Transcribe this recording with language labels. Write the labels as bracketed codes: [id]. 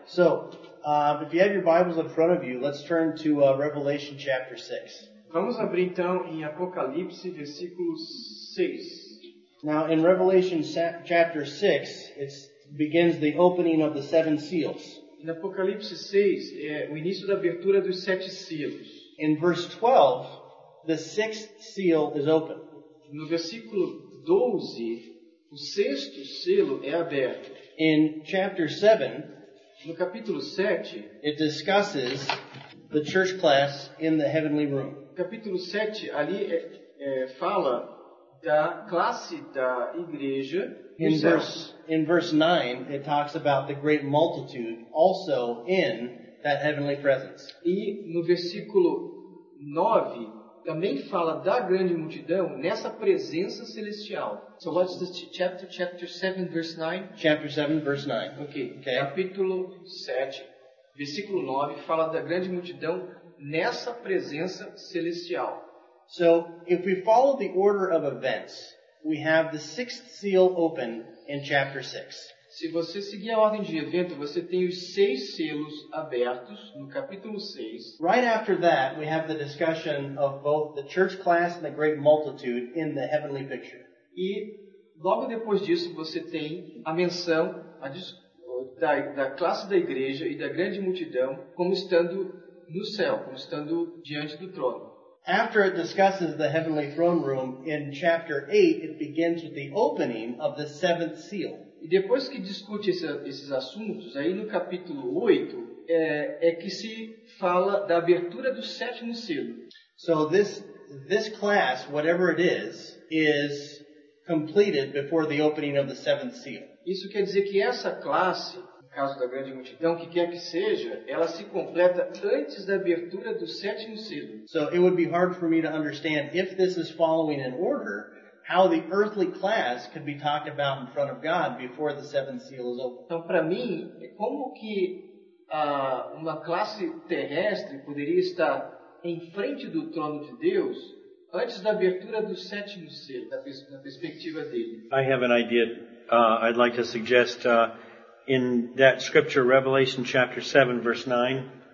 [en] So, if you have your Bibles in front of you, let's turn to Revelation chapter 6. [pt] Vamos abrir então em Apocalipse, versículo 6. [en] Now, in Revelation chapter 6, it begins the opening of the seven seals. [pt] Em Apocalipse 6, é o início da abertura dos sete selos. [en] In verse 12, the sixth seal is open. [pt] No versículo 12, o sexto selo é aberto. [en] In chapter 7, [pt] no capítulo 7, [en] it discusses the church class in the heavenly room. [pt] Capítulo 7, ali fala da classe da igreja. [en] In verse 9, it talks about the great multitude also in that heavenly presence. [pt] E no versículo 9, também fala da grande multidão nessa presença celestial. [en] So what's the chapter? Chapter 7, verse 9? Chapter 7, verse 9. [pt] Okay. Capítulo 7, versículo 9, fala da grande multidão nessa presença celestial. [en] So, if we follow the order of events, we have the sixth seal open in chapter 6. [pt] Se você seguir a ordem de evento, você tem os seis selos abertos no capítulo 6. [en] Right after that, we have the discussion of both the church class and the great multitude in the heavenly picture. [pt] E logo depois disso, você tem a menção da classe da igreja e da grande multidão como estando no céu, como estando diante do trono. [en] After it discusses the heavenly throne room, in chapter 8, it begins with the opening of the seventh seal. [pt] E depois que discute esses assuntos, aí no capítulo 8, que se fala da abertura do sétimo selo. [en] So this class, whatever it is completed before the opening of the seventh seal. [pt] Isso quer dizer que essa classe, no caso da grande multidão, que quer que seja, ela se completa antes da abertura do sétimo selo. [en] So it would be hard for me to understand if this is following an order, how the earthly class could be talked about in front of God before the seventh seal is open. [pt] Então, para mim, como que uma classe terrestre poderia estar em frente do trono de Deus antes da abertura do sétimo selo, na perspectiva dele? [en] I have an idea. I'd like to suggest in that scripture, Revelation chapter 7, verse 9.